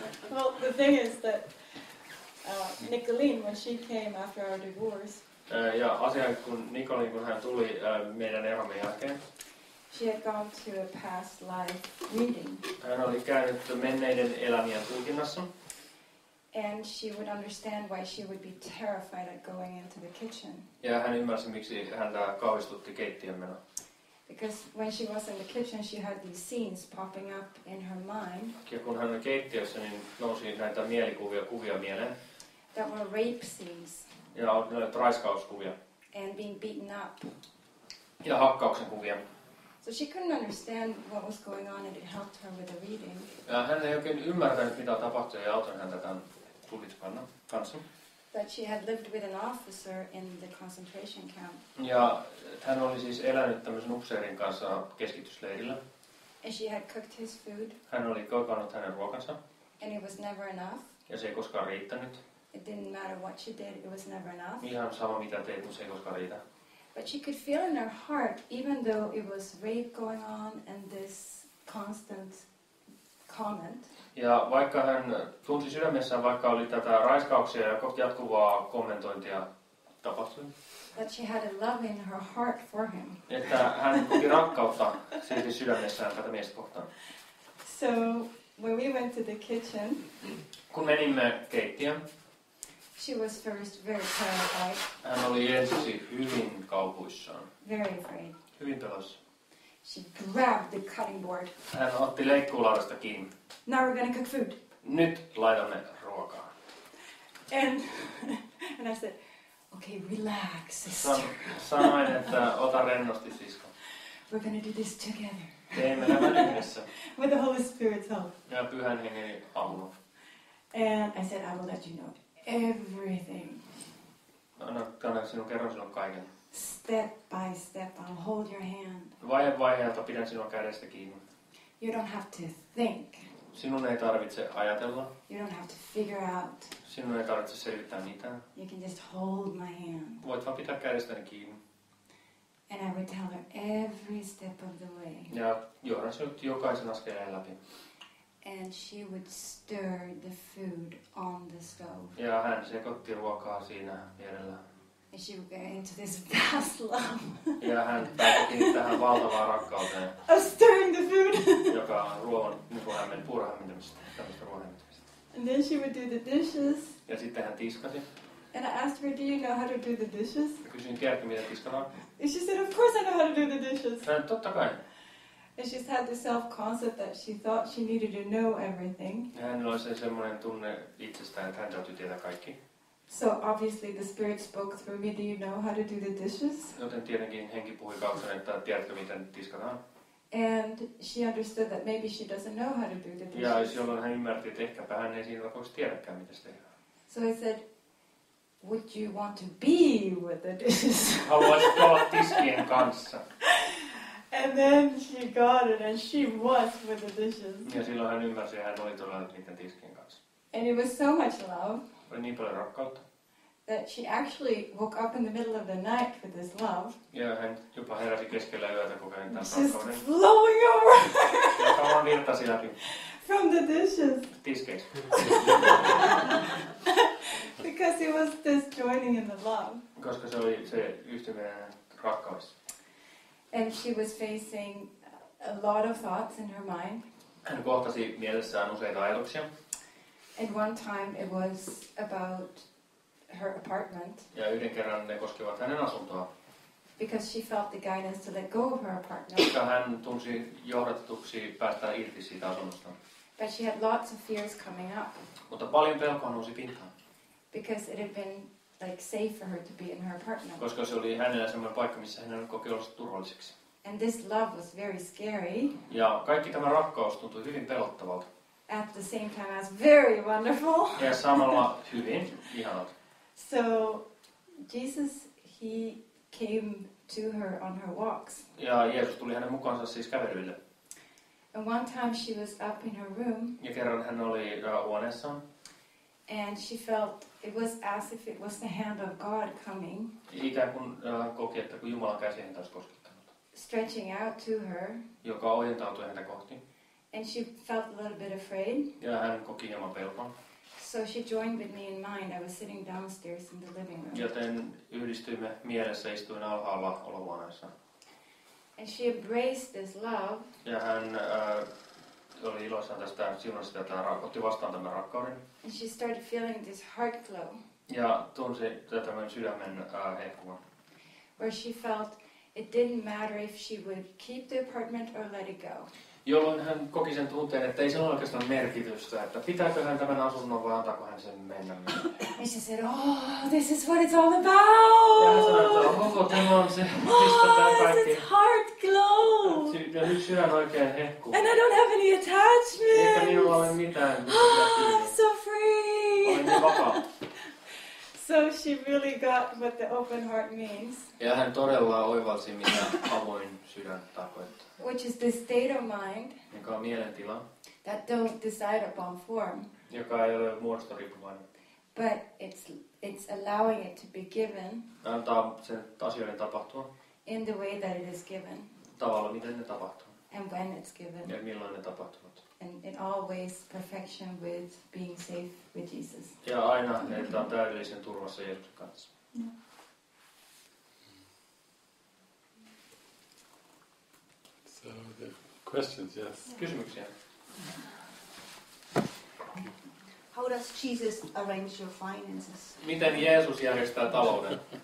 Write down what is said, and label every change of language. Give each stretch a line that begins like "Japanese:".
English: Well, the thing is that Nicolene, when she came after our divorce.
Finnish: Ja asia, kun Nicolene, kun hän tuli meidän eromme jälkeen.
English: She had gone to a past life reading.
Finnish: Hän oli käynyt menneiden elämien tulkinnassa.
English: And she would understand why she would be terrified at going into the kitchen.
Finnish: Ja hän ymmärsi, miksi häntä kauhistutti keittiönmeno.
English: Because when she was in the kitchen, she had these scenes popping up in her mind.
Finnish: Ja kun hän oli keittiössä, niin nousi näitä mielikuvia mieleen.
English: That were rape scenes.
Finnish: Ja olivat raiskauskuvia.
English: And being beaten up.
Finnish: Ja hakkauksen kuvia.
English: So she couldn't understand what was going on, and it helped her with the reading.
Finnish: Hän ei oikein ymmärtänyt, mitä tapahtui, ja auton häntä tämän tulkitsemaan kanssa.
English: That she had lived with an officer in the concentration camp.
Finnish: Ja hän oli siis elänyt tämmöisen upseerin kanssa keskitysleirillä.
English: And she had cooked his food.
Finnish: Hän oli kokannut hänen ruokansa.
English: And it was never enough.
Finnish: Ja se ei koskaan riittänyt.
English: It didn't matter what she did, it was never enough.
Finnish: Ihan sama mitä teet, mutta se ei koskaan riitä.
English: But she could feel in her heart, even though it was rape going on and this constant comment.
Finnish: Ja vaikka hän tunsi sydämessään, vaikka oli tätä raiskauksia ja jatkuvaa kommentointia tapahtui.
English: That she had a love in her heart for him.
Finnish: Että hän koki rakkautta silti sydämessään tätä miestä kohtaan.
English: So when we went to the kitchen.
Finnish: Kun menimme keittiöön.
English: She was first very terrified.
Finnish: Hän oli ensin hyvin kaupuissaan.
English: Very afraid.
Finnish: Hyvin pelossa.
English: She grabbed the cutting board.
Finnish: Hän otti leikkuulaudasta kiinni.
English: Now we're gonna cook food.
Finnish: Nyt laitamme ruokaa.
English: And I said, okay, relax, sister.
Finnish: Sanoin, että ota rennosti, sisko.
English: We're gonna do this together.
Finnish: Teemme nämä yhdessä.
English: With the Holy Spirit's help.
Finnish: Ja Pyhän Hengen avulla.
English: And I said, I will let you know everything.
Finnish: Anna sinun kerron sinun kaiken.
English: Step by step, I'll hold your hand.
Finnish: Vaihe vaiheelta pidän sinua kädestä kiinni.
English: You don't have to think.
Finnish: Sinun ei tarvitse ajatella.
English: You don't have to figure out.
Finnish: Sinun ei tarvitse selvittää mitään.
English: You can just hold my hand.
Finnish: Voit vaan pitää kädestäni kiinni.
English: And I would tell her every step of the way.
Finnish: Ja johdan sinut jokaisen askeleen läpi.
English: And she would stir the food on the stove.
Finnish: Ja hän sekoitti ruokaa siinä vierellä.
English: And she would go into this vast love.
Finnish: Ja hän päätti tähän valtavaan rakkauteen.
English: A stirring the food.
Finnish: Joka on ruoan, niin kuin hämmen, puurahämmentämistä, tämmöistä ruoanhämmentämistä.
English: And then she would do the dishes.
Finnish: Ja sitten hän tiskasi.
English: And I asked her, do you know how to do the dishes?
Finnish: Ja kysyin, tiedätkö mitä tiskataan?
English: And she said, of course I know how to do the dishes.
Finnish: Hän, totta kai.
English: And she's had this self-concept that she thought she needed to know everything.
Finnish: Ja hänellä oli se semmoinen tunne itsestään, että hän täytyy tietää kaikki.
English: So obviously the spirit spoke through me, do you know how to do the dishes?
Finnish: Joten tietenkin henki puhui kautta, että tiedätkö miten tiskataan.
English: And she understood that maybe she doesn't know how to do the dishes.
Finnish: Ja silloin hän ymmärti, että ehkäpä hän ei siinä lakoksi tiedäkään, mitä se tehdään.
English: So I said, would you want to be with the dishes?
Finnish: Haluaisitko olla tiskien kanssa?
English: And then she got it and she was with the dishes.
Finnish: Ja silloin hän ymmärsi, että hän oli todella niiden tiskien kanssa.
English: And it was so much love.
Finnish: Oli niin paljon rakkautta.
English: That she actually woke up in the middle of the night with this love.
Finnish: Ja hän jopa heräsi keskellä yötä kokeen tämän rakkauden.
English: Just flowing over.
Finnish: Ja vaan virtasi läpi.
English: From the dishes.
Finnish: Tiskeiksi.
English: Because it was this joining in the love.
Finnish: Koska se oli se yhtyminen rakkaudessa.
English: And she was facing a lot of thoughts in her mind.
Finnish: Hän kohtasi mielessään useita ajatuksia.
English: And one time it was about her apartment.
Finnish: Ja yhden kerran ne koskivat hänen asuntoa.
English: Because she felt the guidance to let go of her apartment.
Finnish: Koska hän tunsi johdatetuksi päästä irti siitä asunnosta.
English: But she had lots of fears coming up.
Finnish: Mutta paljon pelkoa nousi pintaan.
English: Because it had been like safe for her to be in her apartment.
Finnish: Koska se oli hänellä semmoinen paikka, missä hän koki olla turvalliseksi.
English: And this love was very scary.
Finnish: Ja kaikki tämä rakkaus tuntui hyvin pelottavalta.
English: At the same time as very wonderful.
Finnish: Ja samalla hyvin ihanalta.
English: So Jesus, he came to her on her walks.
Finnish: Ja Jeesus tuli hänen mukaansa siis kävelyille.
English: And one time she was up in her room.
Finnish: Ja kerran hän oli huoneessaan.
English: And she felt it was as if it was the hand of God coming.
Finnish: Ikään kuin koki, että kun Jumalan käsi häntä olisi koskettanut.
English: Stretching out to her.
Finnish: Joka ojentautui häntä kohti.
English: And she felt a little bit afraid.
Finnish: Ja hän koki hieman pelkoa.
English: So she joined with me in mind. I was sitting downstairs in the living room.
Finnish: Joten yhdistyimme mielessä, istuin alhaalla olohuoneessa.
English: And she embraced this love.
Finnish: Ja hän oli iloissaan tästä siunasta, että hän otti vastaan tämän rakkauden.
English: And she started feeling this heart glow.
Finnish: Ja tunsi tämän sydämen hehkuvan.
English: Where she felt it didn't matter if she would keep the apartment or let it go.
Finnish: Jolloin hän koki sen tunteen, että ei se ole oikeastaan merkitystä, että pitääkö hän tämän asunnon vai antaako hän sen mennä.
English: And she said, oh, this is what it's all about!
Finnish: Ja hän sanoi, että oh, tämä on se,
English: oh, this is heart glow!
Finnish: Ja nyt sydän oikein hehkuu.
English: And I don't have any attachments!
Finnish: Eikä minulla ole mitään.
English: I'm so free!
Finnish: Olen niin vapaa.
English: So she really got what the open heart means.
Finnish: Ja hän todella oivalsi, mitä avoin sydän tarkoittaa.
English: Which is the state of mind,
Finnish: joka on mielentila,
English: that don't decide upon form,
Finnish: joka ei ole muodosta riippuvainen,
English: but it's allowing it to be given,
Finnish: antaa sen asioiden tapahtua,
English: in the way that it is given,
Finnish: tavalla miten ne tapahtuu,
English: and when it's given,
Finnish: ja milloin ne tapahtuvat,
English: and in always perfection with being safe with Jesus,
Finnish: ja aina että on täydellisen turvassa Jeesuksen kanssa.
English: Questions, yes.
Finnish: Kysymyksiä.
English: How does Jesus arrange your finances?
Finnish: Miten Jeesus järjestää talouden?